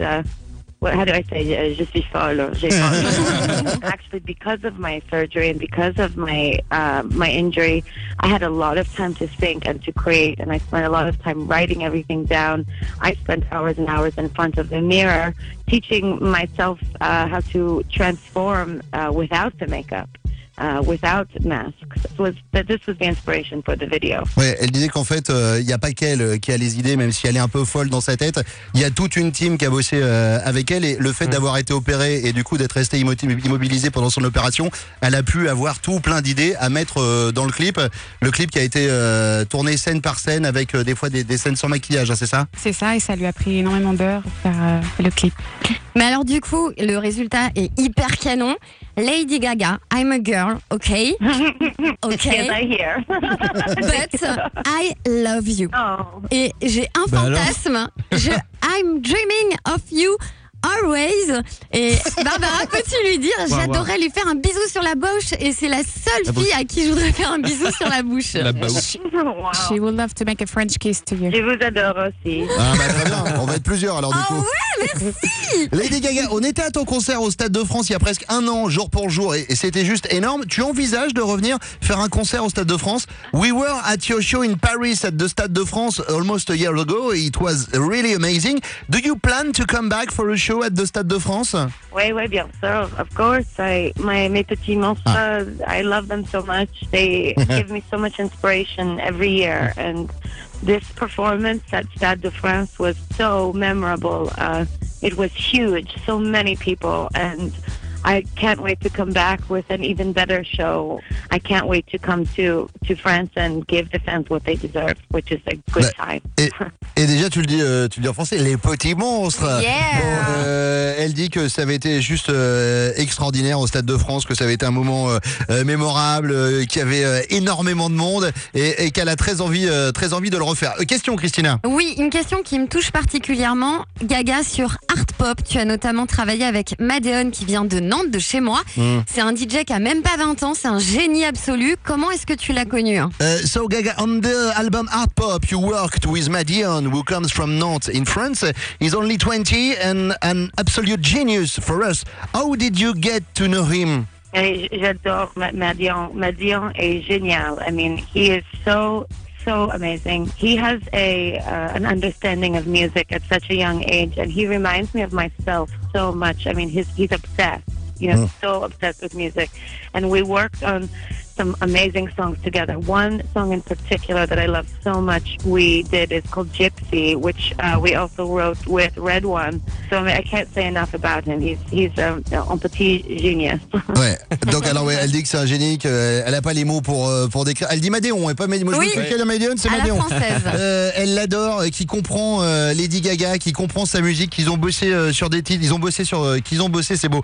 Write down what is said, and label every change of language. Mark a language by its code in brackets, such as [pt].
[en] How do I say? [fr] Je suis folle. [en] Actually, because of my surgery and because of my injury, I had a lot of time to think and to create, and I spent a lot of time writing everything down. I spent hours and hours in front of the mirror teaching myself how to transform without the makeup. Without masks, this was the inspiration for the video. [fr] Ouais, elle disait qu'en fait, il y a pas qu'elle qui a les idées, même si elle est un peu folle dans sa tête. Il y a toute une team qui a bossé avec elle, et le fait d'avoir été opérée et du coup d'être restée immobilisée pendant son opération, elle a pu avoir tout plein d'idées à mettre dans le clip. Le clip qui a été tourné scène par scène avec des fois des scènes sans maquillage, hein, c'est ça? C'est ça, et ça lui a pris énormément d'heures pour faire le clip. Mais alors du coup, le résultat est hyper canon. [en] Lady Gaga, I'm a girl, okay? Okay. Yes, I hear. But I love you. Oh. [fr] Et j'ai un fantasme. [en] I'm dreaming of you always. [fr] Et Barbara, peux-tu lui dire, j'adorerais lui faire un bisou sur la bouche, et c'est la seule la fille bouche. À qui je voudrais faire un bisou sur la bouche. La bouche. [en] She would love to make a French kiss to you. [fr] Je vous adore aussi. Ah bah très bien, on va être plusieurs alors du oh coup. Oh ouais, merci. Lady Gaga, on était à ton concert au Stade de France il y a presque un an, jour pour jour, et c'était juste énorme. Tu envisages de revenir faire un concert au Stade de France? [en] We were at your show in Paris at the Stade de France almost a year ago. It was really amazing. Do you plan to come back for a show at the Stade de France? [fr] Oui, oui, bien sûr. [en] Of course, [fr] mes petits monstres, [en] I love them so much. They give me so much inspiration every year. And this performance at Stade de France was so memorable. It was huge. So many people. And I can't wait to come back with an even better show. I can't wait to come to France and give the fans what they deserve, which is a good time. [fr] Et déjà, tu le dis en français, les petits monstres. [en] Yeah. [fr] Bon, elle dit que ça avait été juste extraordinaire au Stade de France, que ça avait été un moment mémorable, qu'il y avait énormément de monde et qu'elle a très envie de le refaire. Question, Christina. Oui, une question qui me touche particulièrement. Gaga, sur Art Pop, tu as notamment travaillé avec Madeon qui vient de Nantes, de chez moi. Mm. C'est un DJ qui a même pas 20 ans, c'est un génie absolu. Comment est-ce que tu l'as connu, hein? [en] So Gaga, on the album Art Pop, you worked with Madeon, who comes from Nantes in France. He's only 20 and an absolute genius for us. How did you get to know him? [fr] J'adore Madeon. Madeon est génial. [en] I mean, he is so, so amazing. He has an understanding of music at such a young age, and he reminds me of myself so much. I mean, he's obsessed. You know, so obsessed with music. And we worked on some amazing songs together. One song in particular that I love so much we did is called Gypsy, which we also wrote with Red One. So I can't say enough about him. He's [fr] un petit [en] genius. [fr] Ouais. Donc alors, ouais, elle dit que c'est un génie, qu'elle n'a pas les mots pour décrire. Elle dit Madeon, et pas Madeon. Oui. Je me suis dit, Madeon, c'est Madeon. La française. Elle l'adore, qui comprend Lady Gaga, qui comprend sa musique, qu'ils ont bossé sur des titres, qu'ils ont bossé, c'est beau.